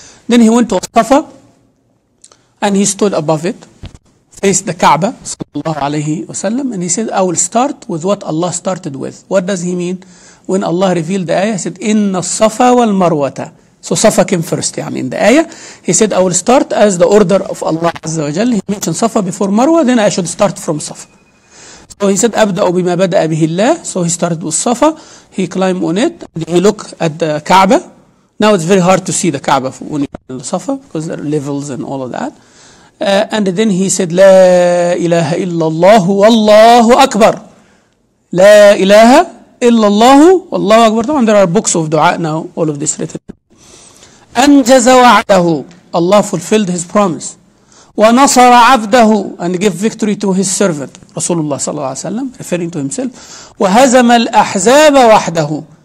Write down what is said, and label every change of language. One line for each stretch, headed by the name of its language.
English: Then he went to Safa, and he stood above it, faced the Kaaba, sallallahu alayhi wa sallam, and he said, I will start with what Allah started with. What does he mean? When Allah revealed the ayah, he said, Inna Safa wal Marwata. So Safa came first, in the ayah. He said, I will start as the order of Allah Azza wa Jalla. He mentioned Safa before Marwa, then I should start from Safa. So he said,
Arabic: أَبْدَأُ بِمَا بَدَأَ بِهِ اللَّهِ.
English: So he started with Safa. He climbed on it. And he looked at the Kaaba. Now it's very hard to see the Kaaba when you're in the Safa because there are levels and all of that.
Arabic: And then he said, لَا إِلَهَ إِلَّا اللَّهُ وَاللَّهُ أَكْبَرُ. لَا إِلَهَ إِلَّا اللَّهُ وَاللَّهُ أَكْبَرُ.
English: And there are books of dua now, all of this written.
Arabic: أَنْجَزَ وَعْدَهُ.
English: Allah fulfilled his promise.
Arabic: وَنَصَرَ عَبْدَهُ.
English: And give victory to his servant, Rasulullah sallallahu alayhi wa sallam, referring to himself.
Arabic: وَهَزَمَ الْأَحْزَابَ وَحْدَهُ.